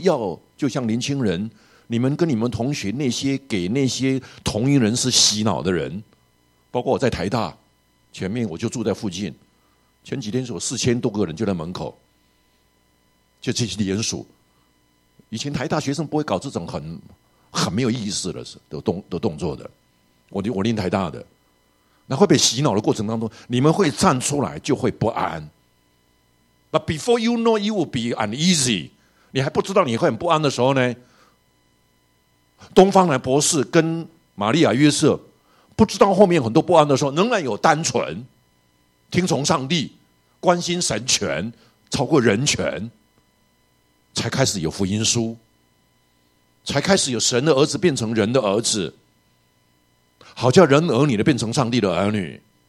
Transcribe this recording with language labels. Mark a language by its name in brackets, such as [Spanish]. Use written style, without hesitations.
[Chinese] 要就像年轻人，你们跟你们同学那些给那些同龄人是洗脑的人，包括我在台大前面，我就住在附近，前几天有4000多个人就在门口，就这些联署以前台大学生不会搞这种很没有意思的动作的。我念台大的，那会被洗脑的过程当中，你们会站出来就会不安。 [English] But before you know, you will be uneasy. [Chinese] 你还不知道你会很不安的时候呢？东方的博士跟玛利亚约瑟不知道后面很多不安的时候，仍然有单纯、听从上帝、关心神权超过人权，才开始有福音书，才开始有神的儿子变成人的儿子，好叫人儿女的变成上帝的儿女。